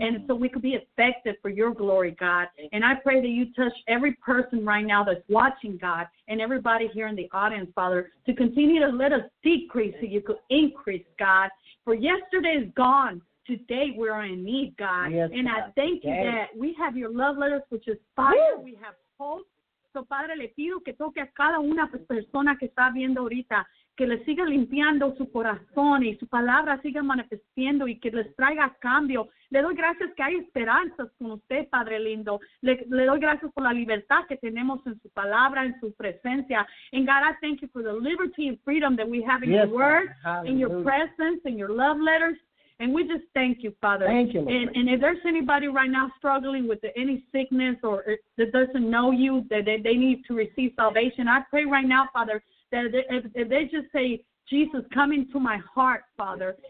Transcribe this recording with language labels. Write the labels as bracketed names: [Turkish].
[English] and so we could be effective for your glory, God. And I pray that you touch every person right now that's watching, God, and everybody here in the audience, Father, to continue to let us decrease so you could increase, God. For yesterday is gone. Today we are in need, God, yes, and God. I thank you yes that we have your love letters, which is fire. Woo! We have hope. [Spanish] So, Padre, le pido que toque a cada una persona que está viendo ahorita, que le siga limpiando su corazón y su palabra siga manifestando y que les traiga cambio. Le doy gracias que hay esperanzas con usted, Padre lindo. Le doy gracias por la libertad que tenemos en su palabra, en su presencia. [English] And God, I thank you for the liberty and freedom that we have in yes your word, Hallelujah, in your presence, in your love letters. And we just thank you, Father. Thank you, Lord. And if there's anybody right now struggling with any sickness or that doesn't know you, that they need to receive salvation, I pray right now, Father, that if they just say, Jesus, come into my heart, Father.